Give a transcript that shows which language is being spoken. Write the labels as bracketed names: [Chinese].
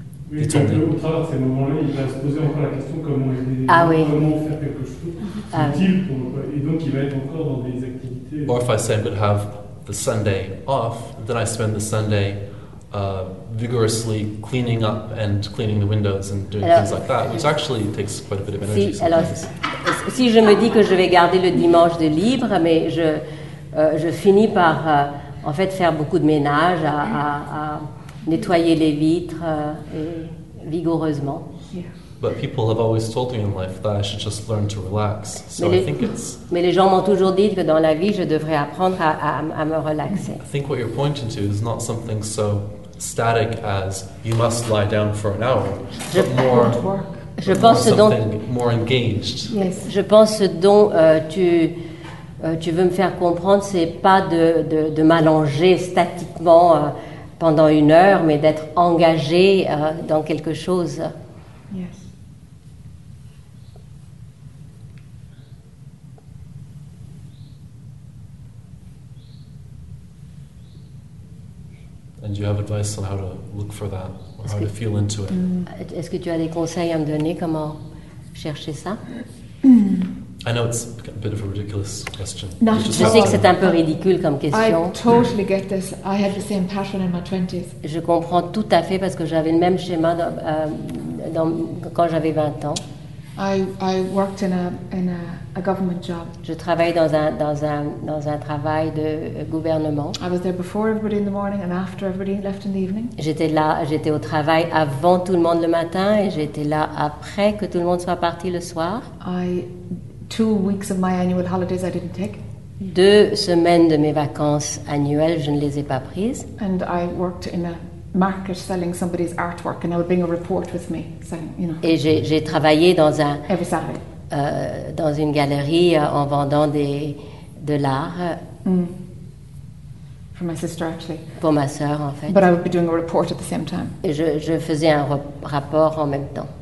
[French] Mais quand deux ou trois à ces moments-là, il va se poser encore la question comment aider, comment faire quelque chose utile pour moi. Et donc il va être encore dans des activités. [English] Or if I say I'm going to have the Sunday off, then I spend the Sunday vigorously cleaning up and cleaning the windows and doing things like that, which actually takes quite a bit of energy. [French] Si je me dis que je vais garder le dimanche de libre, mais je finis par en fait faire beaucoup de ménage à nettoyer les vitres vigoureusement. [English] But people have always told me in life that I should just learn to relax. [French] Mais les gens m'ont toujours dit que dans la vie je devrais apprendre à me relaxer. [English] I think what you're pointing to is not something so static as you must lie down for an hour, but more something more engaged. Yes. [French] Je pense ce dont tu veux me faire comprendre, c'est pas de m'allonger statiquement pendant une heure, mais d'être engagé dans quelque chose. [English] Yes. And you have advice on how to look for that, or how to feel into it. [French] Est-ce que tu as des conseils à me donner comment chercher ça? [English] I know it's a bit of a ridiculous question. [French] Je sais que c'est un peu ridicule comme question. [English] I totally get this. I had the same pattern in my 20s. [French] Je comprends tout à fait parce que j'avais le même schéma quand j'avais 20 ans. [English] I worked in a government job. [French] Je travaillais dans un travail de gouvernement. [English] I was there before everybody in the morning and after everybody left in the evening. [French] J'étais au travail avant tout le monde le matin et j'étais là après que tout le monde soit parti le soir. [English] Two weeks of my annual holidays I didn't take. [French] Deux semaines de mes vacances annuelles, je ne les ai pas prises. [English] And I worked in a market selling somebody's artwork, and I would bring a report with me, saying, you know. [French] Et j'ai travaillé dans un. [English] Every Saturday. [French] Dans une galerie en vendant de l'art. [English] For my sister, actually. [French] Pour ma sœur, en fait. [English] But I would be doing a report at the same time. [French] Et je faisais un rapport en même temps.